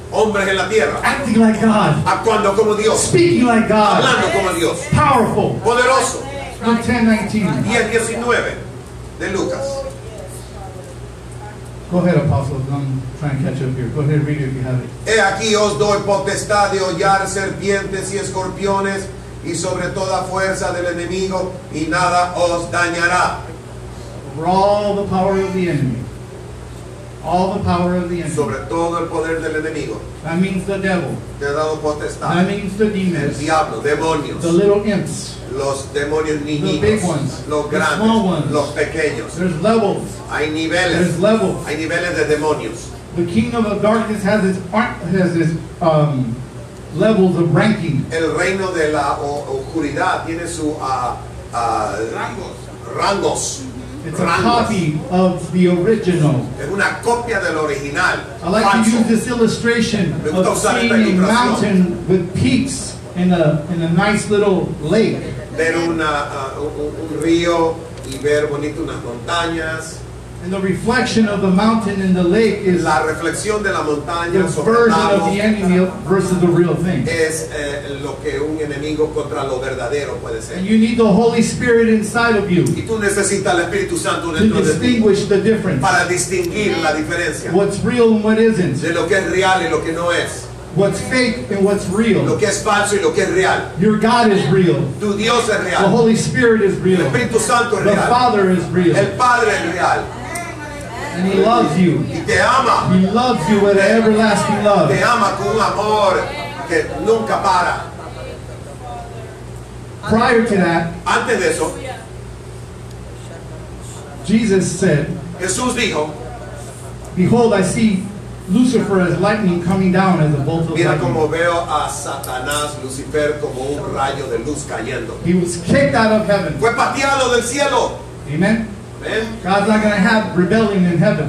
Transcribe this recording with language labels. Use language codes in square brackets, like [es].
[es] Hombres en la tierra. [en] Acting like God. [es] Actuando como Dios. [en] Speaking like God. [es] Hablando como Dios. [en] Powerful. [es] Poderoso. [en] Luke 10:19. [es] De Lucas. [en] Go ahead, apostles. I'm trying to catch up here. Go ahead, read it if you have it. [es] He aquí os doy potestad de hollar serpientes y escorpiones y sobre toda fuerza del enemigo y nada os dañará. [en] Over all the power of the enemy. All the power of the enemy. [es] Sobre todo el poder del enemigo. [en] That means the devil. [es] Te ha dado potestad. [en] That means the demons. [es] El diablo, demonios. [en] The little imps. [es] Los demonios niñitos. [en] The big ones. [es] Los grandes. [en] The small ones. [es] Los pequeños. [en] There's levels. [es] Hay niveles. [en] There's levels. [es] Hay niveles de demonios. [en] The kingdom of darkness has its levels of ranking. [es] El reino de la oscuridad tiene su rangos. [en] It's a copy of the original. [es] Es una copia del original. [en] I like to use this illustration of seeing a mountain with peaks in a nice little lake. [es] Ver un río y ver bonito unas montañas. [en] And the reflection of the mountain in the lake is [es] la reflexión de la montaña [en] the version of the enemy versus the real thing. [es] Es lo que un enemigo contra lo verdadero puede ser. [en] And you need the Holy Spirit inside of you. [es] Y tú necesitas el Espíritu Santo dentro de ti. [en] To distinguish the difference. [es] Para distinguir la diferencia. [en] What's real and what isn't. [es] De lo que es real y lo que no es. [en] What's fake and what's real. [es] Lo que es falso y lo que es real. [en] Your God is real. [es] Tu Dios es real. [en] The Holy Spirit is real. [es] El Espíritu Santo es [en] the real. The Father is real. [es] El Padre es real. [en] And he loves you. [es] Y te ama. [en] He loves you with an everlasting love. [es] Te ama con un amor que nunca para. [en] Prior to that, [es] antes de eso, [en] Jesus said, [es] Jesús dijo, [en] behold, I see Lucifer as lightning coming down as a bolt of [es] mira [en] lightning. [es] Como veo a Satanás, Lucifer, como un rayo de luz cayendo. [en] He was kicked out of heaven. [es] Fue pateado del cielo. [en] Amen. God's not going to have rebellion in heaven.